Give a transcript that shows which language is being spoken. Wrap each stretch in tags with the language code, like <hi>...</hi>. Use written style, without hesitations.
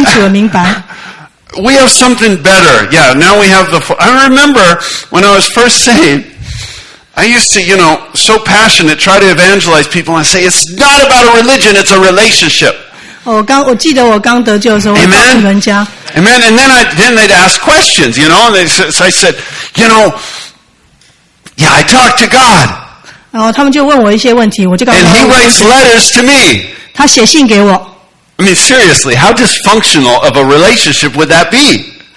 <en>We have something better. Yeah, now we have the... I remember when I was first saved, I used to, you know, so passionate, try to evangelize people and say, it's not about a religion, it's a relationship.</en> <zh>我记得我刚得救的时候，我告诉人家。</zh> <en>Amen. And then they'd ask questions, you know, and they, so I said, you know, yeah, I talk to God. And he writes letters to me. I mean, seriously, how dysfunctional of a relationship would that be?</en>